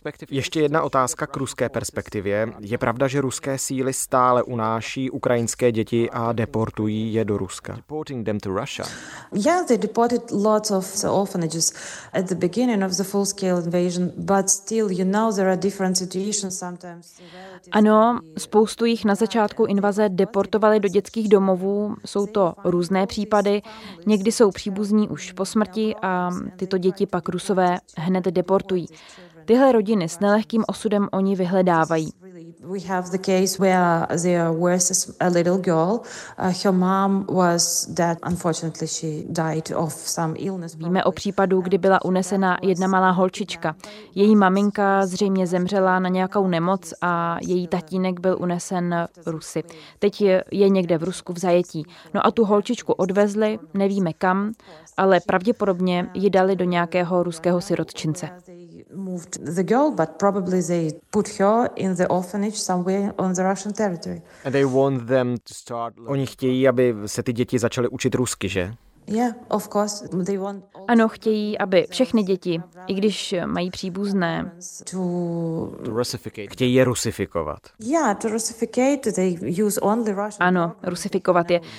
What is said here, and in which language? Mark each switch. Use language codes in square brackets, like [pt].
[cs] Ještě jedna otázka k ruské perspektivě. Je pravda, že ruské síly stále unáší ukrajinské děti a deportují je do Ruska? [en] Deporting them to Russia. Yeah, they deported lots of the orphanages at the beginning of the full-scale invasion, but still, you know, there are different situations sometimes. [cs] Ano, spoustu jich na začátku invaze deportovali do dětských domovů. Jsou to různé případy. Někdy jsou příbuzní už po smrti a tyto děti pak Rusové hned deportují. Tyhle rodiny s nelehkým osudem oni vyhledávají. [en] We have the case where there was a little girl. Her mom was dead. Unfortunately, she died of some illness. [cs] Víme o případu, kdy byla unesena jedna malá holčička. Její maminka zřejmě zemřela na nějakou nemoc a její tatínek byl unesen Rusy. Teď je někde v Rusku v zajetí. No a tu holčičku odvezli, nevíme kam, ale pravděpodobně ji dali do nějakého ruského sirotčince. [en] Moved the girl, but probably they put her in the orphanage somewhere on the Russian territory. And they want them to start. [cs] Oni chtějí, aby se ty děti začaly učit rusky, že? [en] Yeah, of course. They want. [cs] Ano, chtějí, aby všechny děti, i když mají příbuzné, chtějí je rusifikovat. [en] Yeah, to rusificate. They use only Russian. [cs] Ano, rusifikovat je.